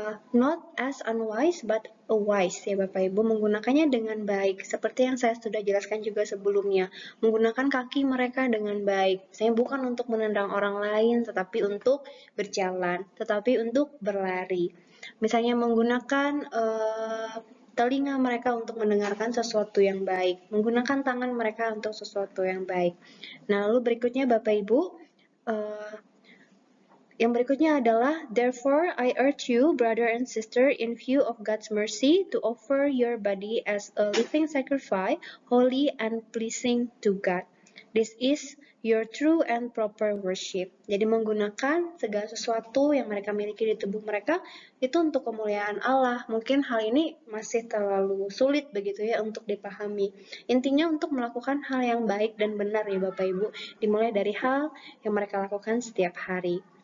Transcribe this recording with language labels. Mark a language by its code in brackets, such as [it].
[en] Not as unwise, but wise, [id] ya Bapak Ibu, menggunakannya dengan baik, seperti yang saya sudah jelaskan juga sebelumnya, menggunakan kaki mereka dengan baik, saya bukan untuk menendang orang lain, tetapi untuk berjalan, tetapi untuk berlari, misalnya menggunakan telinga mereka untuk mendengarkan sesuatu yang baik, menggunakan tangan mereka untuk sesuatu yang baik. Nah, lalu berikutnya Bapak Ibu, Yang berikutnya adalah, [en] therefore I urge you, brother and sister, in view of God's mercy, to offer your body as a living sacrifice, holy and pleasing to God. This is your true and proper worship. [id] Jadi menggunakan segala sesuatu yang mereka miliki di tubuh mereka itu untuk kemuliaan Allah. Mungkin hal ini masih terlalu sulit begitu ya untuk dipahami. Intinya untuk melakukan hal yang baik dan benar ya Bapak Ibu, dimulai dari hal yang mereka lakukan setiap hari.